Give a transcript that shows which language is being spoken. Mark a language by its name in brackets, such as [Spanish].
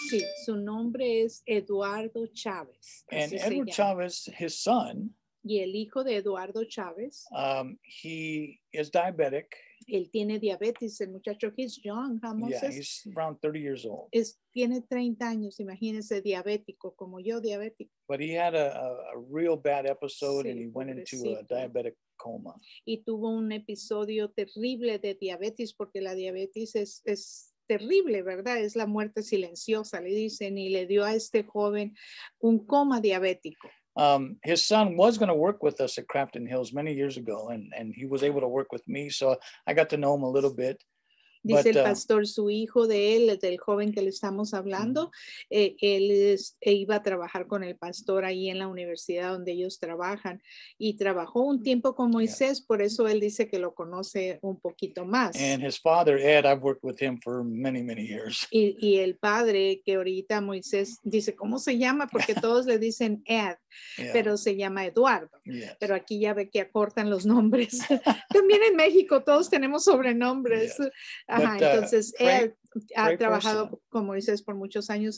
[Spanish] Sí, su nombre es Eduardo Chavez. [English] And Edward Chavez, his son. [Spanish] Y el hijo de Eduardo Chávez. [English] He is diabetic. [Spanish] Él tiene diabetes, el muchacho. [English] He's young, [Spanish] ¿cómo es? [English] Yeah, he's around 30 years old. [Spanish] Tiene 30 años, imagínese, diabético, como yo, diabético. [English] But he had a real bad episode, [Spanish] sí, [English] and he went into a diabetic coma. [Spanish] Y tuvo un episodio terrible de diabetes, porque la diabetes es terrible, ¿verdad? Es la muerte silenciosa, le dicen, y le dio a este joven un coma diabético. [English] His son was going to work with us at Crafton Hills many years ago, and he was able to work with me, so I got to know him a little bit. [Spanish] Dice el pastor, su hijo de él, del joven que le estamos hablando, iba a trabajar con el pastor ahí en la universidad donde ellos trabajan. Y trabajó un tiempo con Moisés, por eso él dice que lo conoce un poquito más. [English] And his father, Ed, I've worked with him for many, many years. [Spanish] Y el padre, que ahorita Moisés dice, ¿cómo se llama? Porque todos le dicen Ed, pero se llama Eduardo. [English] Yes. [Spanish] Pero aquí ya ve que acortan los nombres. También en México todos tenemos sobrenombres. [English] Yes. [Spanish] Ajá, [English] but, [Spanish] entonces él ha trabajado con Moisés por muchos años.